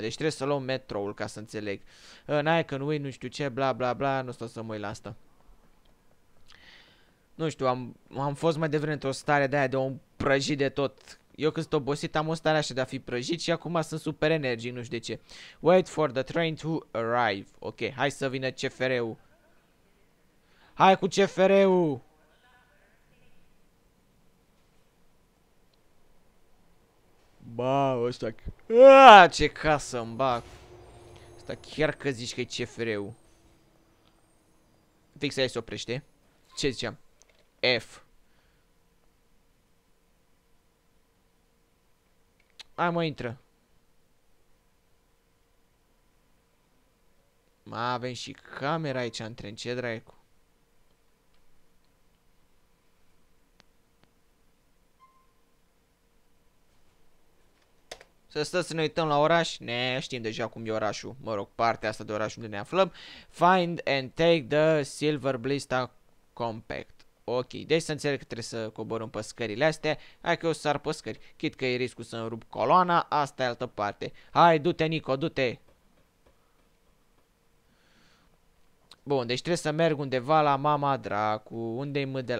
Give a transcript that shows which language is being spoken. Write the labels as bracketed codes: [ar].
[ro] Deci trebuie să luăm metroul, ca să înțeleg. N-ai că nu știu ce, bla bla bla. Nu stau să mă uit la asta. Nu știu, am fost mai devreme într-o stare de aia de un prăjit de tot. Eu când sunt obosit am o stare așa de a fi prăjit și acum sunt super energic, nu știu de ce. [en] Wait for the train to arrive. [ro] Ok, hai să vină CFR-ul. Hai cu CFR-ul! Ba, ăsta... ce casă-mi bag! Ăsta chiar că zici că e CFR-ul. Fix aia se oprește. Ce ziceam? F. Hai mă, intră. Mă, avem și camera aici în tren, ce dracu. Să stăm să ne uităm la oraș. Ne, știm deja cum e orașul. Mă rog, partea asta de oraș unde ne aflăm. [en] Find and take the Silver Blista Compact. [ro] Ok, deci să înțeleg că trebuie să coborăm pe scările astea. Hai că o să sar pe scări. Chit că e riscul să-mi rup coloana. Asta e altă parte. Hai, du-te, Nico, du-te. Bun, deci trebuie să merg undeva la mama dracu. Unde-i mâdel?